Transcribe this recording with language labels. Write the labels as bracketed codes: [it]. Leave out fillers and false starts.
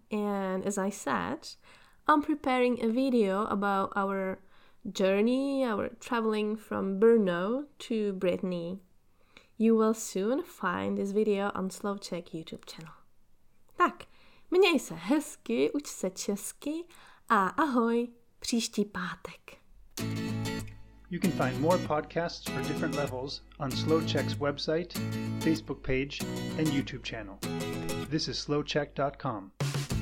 [en] And as I said, I'm preparing a video about our journey, our traveling from Brno to Brittany. You will soon find this video on Slowcheck YouTube channel. [cs] Tak, měj se hezky, uč se česky a ahoj, příští pátek. [en] You can find more podcasts for different levels on Slowcheck's website, Facebook page, and YouTube channel. This is slowcheck.com.